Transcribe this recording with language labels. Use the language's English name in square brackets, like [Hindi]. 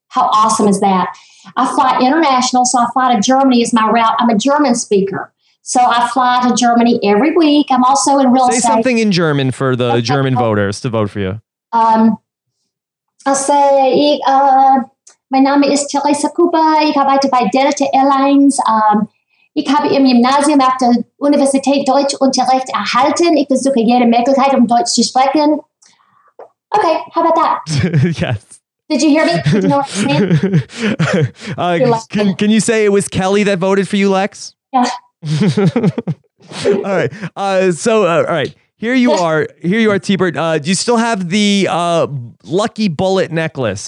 [English] How awesome is that? I fly international. So I fly to Germany is my route. I'm a German speaker. So I fly to Germany every week. I'm also in real estate. Say something in German for the German voters to vote for you. I say, my name is Teresa Kuba. [German] Ich arbeite bei Delta Airlines. Ich habe im Gymnasium auf der Universität Deutsch Unterricht erhalten. Ich versuche jede Möglichkeit, Deutsch zu sprechen. [English] Okay, how about that? Yes. Did you hear me? Did you know what I mean? Can you say it was Kelly that voted for you, Lex? Yeah. All right. All right. Here you are. Here you are, T-Bird. Do you still have the lucky bullet necklace?